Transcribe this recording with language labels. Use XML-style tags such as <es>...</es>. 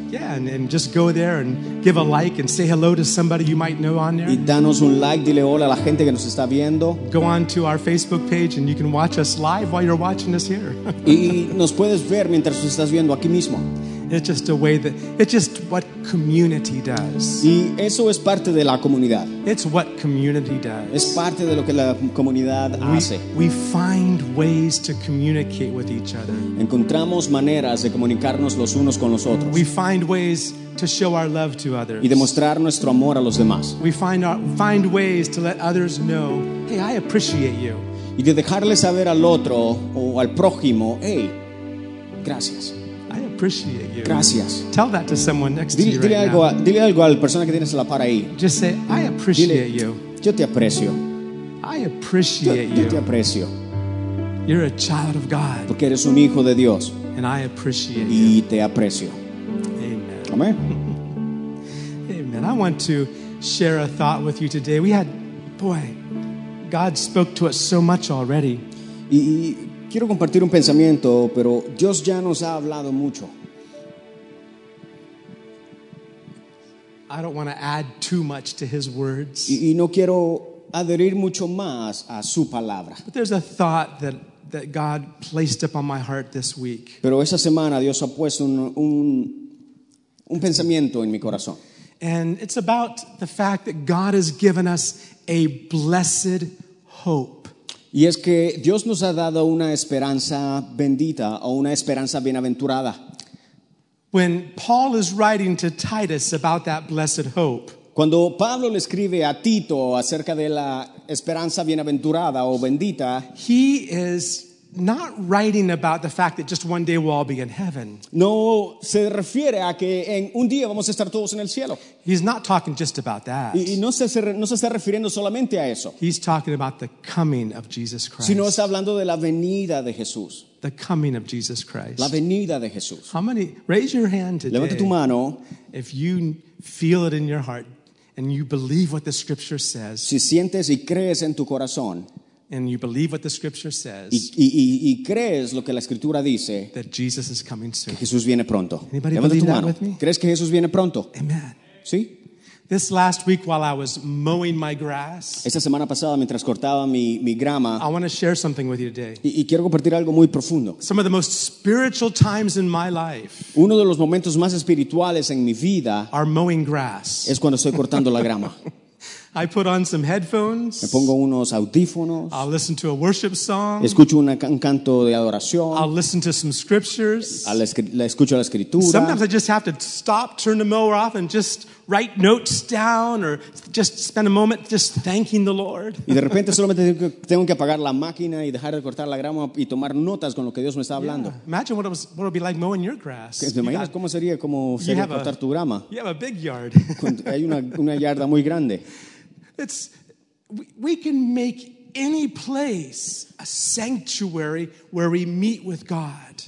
<en>Yeah, and just go there and give a like and say hello to somebody you might know on there.</en> <es>Y danos un like, dile hola a la gente que nos está viendo.</es> <en>Go on to our Facebook page and you can watch us live while you're watching us here.</en> <es>Y nos puedes ver mientras nos estás viendo aquí mismo.</es> <en>It's just a way that it's just what community does.</en> <es>Y eso es parte de la comunidad.</es> <en>It's what community does.</en> <es>Es parte de lo que la comunidad hace.</es> <en>We find ways to communicate with each other.</en> <es>Encontramos maneras de comunicarnos los unos con los otros.</es> <en>We find ways to show our love to others.</en> <es>Y demostrar nuestro amor a los demás.</es> <en>We find ways to let others know, hey, I appreciate you.</en> <es>Y de dejarle saber al otro o al prójimo, hey, gracias.</es> <en>Appreciate you.</en> <es>Gracias.</es> <en>Tell that to someone next</en> <es>dile,</es> <en>to you</en> <es>dile</es> <en>right</en> <es>algo</es> <en>now.</en> <es>Dile algo a la persona que tienes a la par ahí.</es> <en>Just say, I appreciate</en> <es>dile,</es> <en>you.</en> <es>Yo te aprecio.</es> <en>I appreciate</en> <es>yo,</es> <en>you.</en> <es>Yo te aprecio.</es> <en>You're a child of God.</en> <es>Porque eres un hijo de Dios.</es> <en>And I appreciate</en> <es>y</es> <en>you.</en> <es>Y te aprecio.</es> <en>Amen. Amen. Amen. I want to share a thought with you today. We had, boy, God spoke to us so much already.</en> <es>Y quiero compartir un pensamiento, pero Dios ya nos ha hablado mucho.</es> <en>I don't want to add too much to His words.</en> <es>Y no quiero adherir mucho más a su palabra.</es> <en>But there's a thought that God placed upon my heart this week.</en> <es>Pero esa semana Dios ha puesto un pensamiento en mi corazón.</es> <en>And it's about the fact that God has given us a blessed hope.</en> <es>Y es que Dios nos ha dado una esperanza bendita o una esperanza bienaventurada.</es> <en>When Paul is writing to Titus about that blessed hope.</en> <es>Cuando Pablo le escribe a Tito acerca de la esperanza bienaventurada o bendita,</es> <en>he is not writing about the fact that just one day we'll all be in heaven.</en> <es>No se refiere a que en un día vamos a estar todos en el cielo.</es> <en>He's not talking just about that.</en> <es>Y no se está refiriendo solamente a eso.</es> <en>He's talking about the coming of Jesus Christ.</en> <es>Sino está hablando de la venida de Jesús.</es> <en>The coming of Jesus Christ.</en> <es>La venida de Jesús.</es> <en>How many, raise your hand today.</en> <es>Levanta tu mano.</es> <en>If you feel it in your heart and you believe what the scripture says.</en> <es>Si sientes y crees en tu corazón.</es> <en>And you believe what the scripture says.</en> <es>Y crees lo que la escritura dice.</es> <en>That Jesus is coming soon.</en> <es>Que Jesús viene pronto.</es> <en>Anybody believe that with me?</en> <es>¿Crees que Jesús viene pronto?</es> <en>Amen.</en> <es>¿Sí?</es> <en>This last week while I was mowing my grass.</en> <es>Esta semana pasada mientras cortaba mi grama.</es> <en>I want to share something with you today.</en> <es>Y quiero compartir algo muy profundo.</es> <en>Some of the most spiritual times in my life.</en> <es>Uno de los momentos más espirituales en mi vida.</es> <en>Are mowing grass.</en> <es>Es cuando estoy cortando la grama.</es> <en>I put on some headphones.</en> <es>Me pongo unos audífonos.</es> <en>I'll listen to a worship song.</en> <es>Escucho un canto de adoración.</es> <en>I'll listen to some scriptures.</en> <es>Escucho la escritura.</es> <en>Sometimes I just have to stop, turn the mower off, and just write notes down, or just spend a moment just thanking the Lord.</en> <es>Y de repente solamente tengo que apagar la máquina y dejar de cortar la grama y tomar notas con lo que Dios me está hablando.</es> <en>Yeah. Imagine what it would be like mowing your grass.</en> <es>¿Te imaginas cómo sería como cortar tu grama?</es> <en>You have a big yard.</en> <es>Hay una yarda muy grande.</es> <en>It's we can make any place a sanctuary where we meet with God.</en>